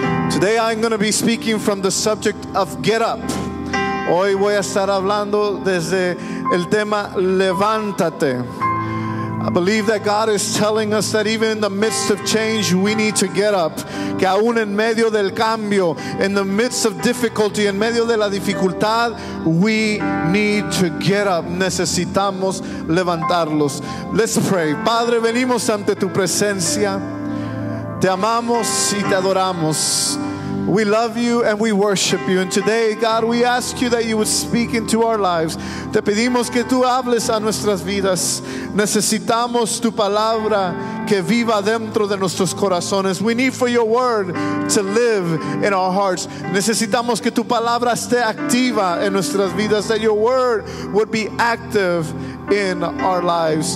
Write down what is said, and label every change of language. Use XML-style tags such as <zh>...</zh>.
<en>Today I'm going to be speaking from the subject of get up.</en> <es>Hoy voy a estar hablando desde el tema levántate.</es> <en>I believe that God is telling us that even in the midst of change, we need to get up.</en> <es>Que aún en medio del cambio,</es> <en>in the midst of difficulty,</en> <es>en medio de la dificultad,</es> <en>we need to get up.</en> <es>Necesitamos levantarlos.</es> <en>Let's pray.</en> <es>Padre, venimos ante tu presencia. Te amamos y te adoramos.</es> <en>We love you and we worship you. And today, God, we ask you that you would speak into our lives.</en> <es>Te pedimos que tú hables a nuestras vidas. Necesitamos tu palabra que viva dentro de nuestros corazones.</es> <en>We need for your word to live in our hearts.</en> <es>Necesitamos que tu palabra esté activa en nuestras vidas.</es> <en>That your word would be active in our lives.</en>